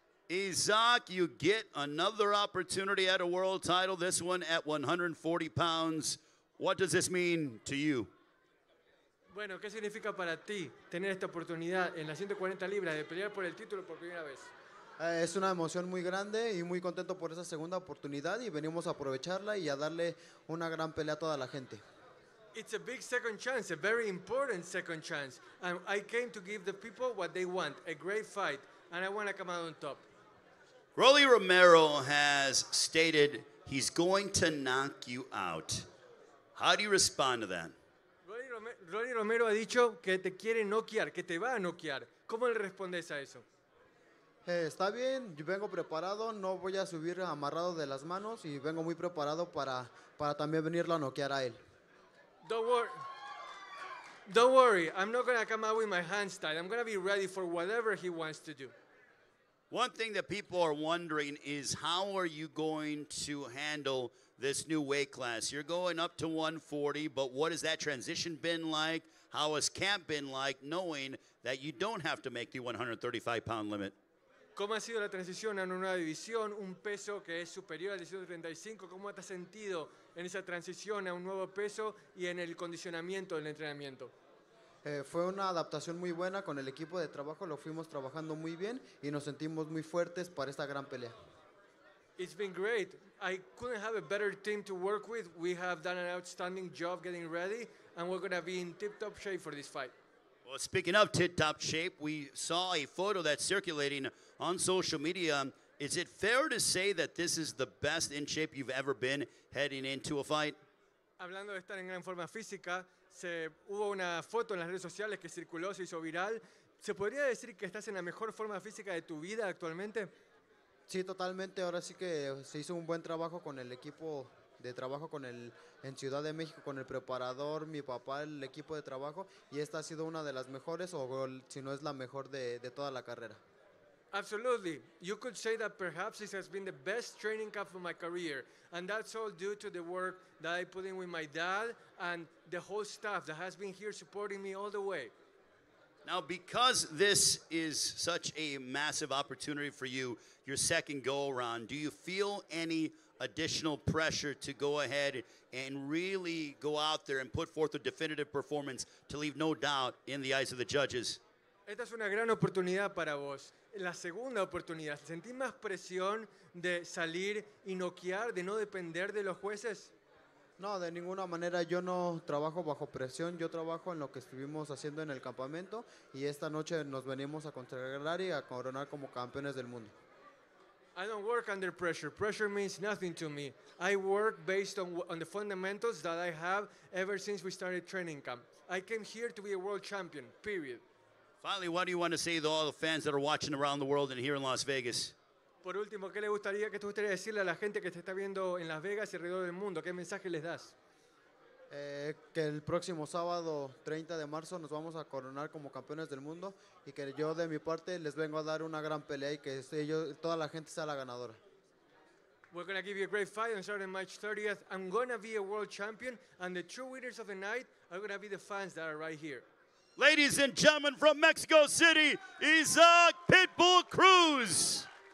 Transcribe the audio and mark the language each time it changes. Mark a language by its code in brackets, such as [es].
[en] Isaac, you get another opportunity at a world title, this one at 140 pounds. What does this mean to you? [es] Bueno, ¿qué significa para ti tener esta oportunidad en las 140 libras de pelear por el título por primera vez? Es una emoción muy grande y muy contento por esa segunda oportunidad y venimos a aprovecharla y a darle una gran pelea a toda la gente. [en] It's a big second chance, a very important second chance. I came to give the people what they want, a great fight, and I want to come out on top. Rolly Romero has stated he's going to knock you out. How do you respond to that? [es] Rolly Romero ha dicho que te quiere noquear, que te va a noquear. ¿Cómo le respondes a eso? Está bien, yo vengo preparado, no voy a subir amarrado de las manos y vengo muy preparado para también venirlo a noquear a él. [en] Don't worry, I'm not going to come out with my hands tied. I'm going to be ready for whatever he wants to do. One thing that people are wondering is how are you going to handle this new weight class? You're going up to 140, but what has that transition been like? How has camp been like knowing that you don't have to make the 135-pound limit? [es] ¿Cómo ha sido la transición a una nueva división, un peso que es superior al 135? ¿Cómo te has sentido en esa transición a un nuevo peso y en el condicionamiento del entrenamiento? Fue una adaptación muy buena con el equipo de trabajo. Lo fuimos trabajando muy bien y nos sentimos muy fuertes para esta gran pelea. [en] It's been great. I couldn't have a better team to work with. We have done an outstanding job getting ready, and we're going to be in tip-top shape for this fight. Well, speaking of tip-top shape, we saw a photo that's circulating on social media. Is it fair to say that this is the best in shape you've ever been heading into a fight? [es] Hablando de estar en gran forma física, hubo una foto en las redes sociales que circuló, se hizo viral. ¿Se podría decir que estás en la mejor forma física de tu vida actualmente? Sí, totalmente. Ahora sí que se hizo un buen trabajo con el equipo de trabajo con el en Ciudad de México, con el preparador, mi papá, el equipo de trabajo, y esta ha sido una de las mejores, o si no es la mejor de toda la carrera. [en] Absolutely. You could say that perhaps this has been the best training camp of my career, and that's all due to the work that I put in with my dad and the whole staff that has been here supporting me all the way. Now, because this is such a massive opportunity for you, your second go-around, do you feel any additional pressure to go ahead and really go out there and put forth a definitive performance to leave no doubt in the eyes of the judges? [es] Esta es una gran oportunidad para vos. La segunda oportunidad. ¿Sentís más presión de salir y noquear, de no depender de los jueces? No, de ninguna manera. Yo no trabajo bajo presión. Yo trabajo en lo que estuvimos haciendo en el campamento y esta noche nos venimos a consagrar y a coronar como campeones del mundo. [en] I don't work under pressure. Pressure means nothing to me. I work based on the fundamentals that I have ever since we started training camp. I came here to be a world champion, period. Finally, what do you want to say to all the fans that are watching around the world and here in Las Vegas? [es] Por último, ¿qué le gustaría, qué te gustaría decirle a la gente que te está viendo en Las Vegas y alrededor del mundo? ¿Qué mensaje les das? Que el próximo sábado 30 de marzo nos vamos a coronar como campeones del mundo y que yo de mi parte les vengo a dar una gran pelea y que yo, toda la gente sea la ganadora. [en] We're going to give you a great fight on Saturday, March 30th. I'm going to be a world champion and the true winners of the night are going to be the fans that are right here. Ladies and gentlemen from Mexico City, Isaac Pitbull Cruz.